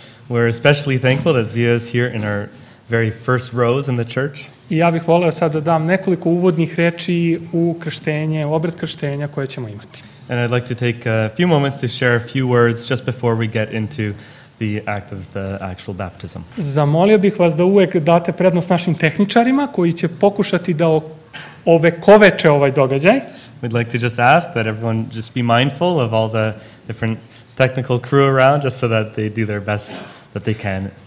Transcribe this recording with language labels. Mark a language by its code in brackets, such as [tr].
[en] We're especially thankful that Zija is here in our very first rows in the church. [sr] I ja bih voleo sad da dam nekoliko uvodnih reči u krštenje, u obred krštenja koje ćemo imati. [en] And I'd like to take a few moments to share a few words just before we get into the act of the actual baptism. [sr] Zamolio bih vas da uvek date prednost našim tehničarima koji će pokušati da ovekoveče ovaj događaj. [en] We'd like to just ask that everyone just be mindful of all the different technical crew around just so that they do their best that they can.